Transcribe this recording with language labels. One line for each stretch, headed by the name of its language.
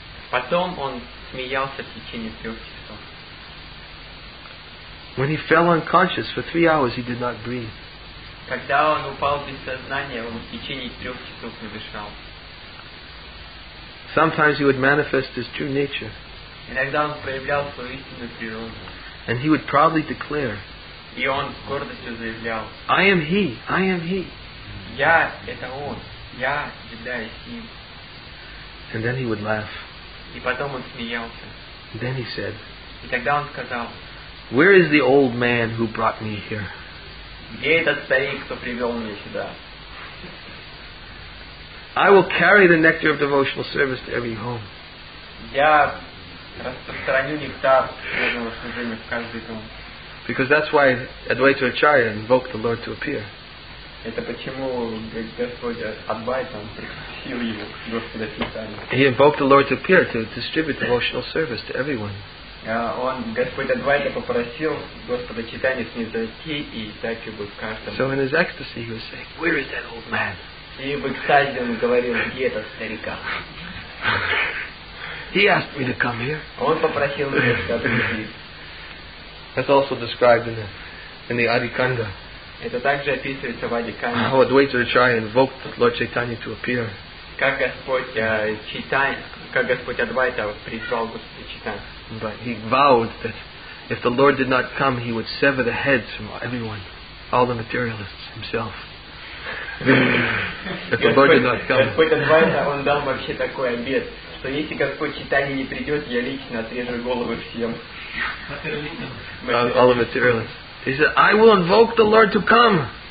Russian: Потом он смеялся в течение 3 часов.
English: When he fell unconscious for 3 hours, he did not breathe.
Russian: Когда он упал без сознания, он в течение 3 часов не дышал.
English: Sometimes he would manifest his true nature.
Russian: Иногда он проявлял свою истинную природу.
English: And he would proudly declare.
Russian: И он с гордостью заявлял.
English: I am he. I am he.
Russian: Я это он. Я являюсь им.
English: And then he would laugh.
Russian: И потом он смеялся.
English: Then he said,
Russian: и тогда он сказал,
English: Where is the old man who brought me here?
Russian: Где этот старик, кто привел меня сюда?
English: I will carry the nectar of devotional service to every home.
Russian: Я распространю нектар преданного служения в каждый дом.
English: Because that's why Advaita Acharya invoked the Lord to appear.
Russian: Это почему Господь Адвайта пригласил его Господа Читания.
English: He invoked the Lord to appear to distribute devotional service to everyone.
Russian: Он Господь Адвайта попросил Господа Читания с ним зайти и дать ему в каждом.
English: So in his ecstasy he was saying, Where is that old man?
Russian: И в экстазе он говорил, где этот старика?
English: He asked me to come here.
Russian: Он попросил меня сюда прийти.
English: That's also described in the Adikanda.
Russian: Это также описывается в Адикане.
English: How Advaita Acharya invoked Lord Chaitanya to appear.
Russian: Как Господь Адвайта призвал Господа Читания.
English: But he vowed that if the Lord did not come, he would sever the heads from everyone, all the materialists himself. If the Lord did not come.
Russian: Господь Адвайта, он дал вообще такой обет, что если Господь Читания не придет, я лично отрежу голову всем.
English: All the materialists. He said, I will invoke the Lord to come.